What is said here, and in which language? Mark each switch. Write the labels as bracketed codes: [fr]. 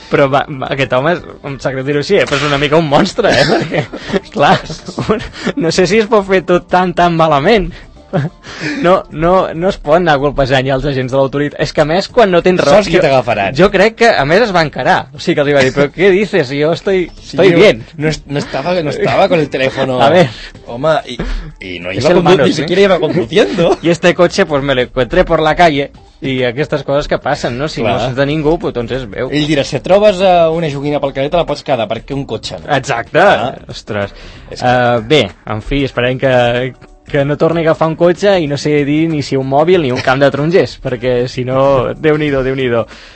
[ca] Però va, aquest home, em sap greu dir-ho així, però és una mica un monstre, eh? Perquè, clar, no sé si es pot fer tot tan malament. No es pot anar colpejant ja els agents de l'autoritat. És que a més, quan no tens raó... Saps qui t'agafaran? Jo crec que, a més, es va encarar. O sigui que li va dir, però [es] què dices? Jo estoy bien. No estava con el teléfono. A ver. [ca] Home, i [es] no iba conduciendo, ni siquiera iba conduciendo. Y este coche, pues me lo encontré por la calle. [ca] I aquestes coses que passen, no? Si clar. No és de ningú, però doncs es veu. Ell dirà, si trobes una joguina pel carrer, te la pots quedar, perquè un cotxe no. Exacte. Ah. Ostres. Bé, en fi, esperem que no torni a agafar un cotxe i no sé dir ni si un mòbil ni un camp de tarongers, perquè si no, Déu-n'hi-do.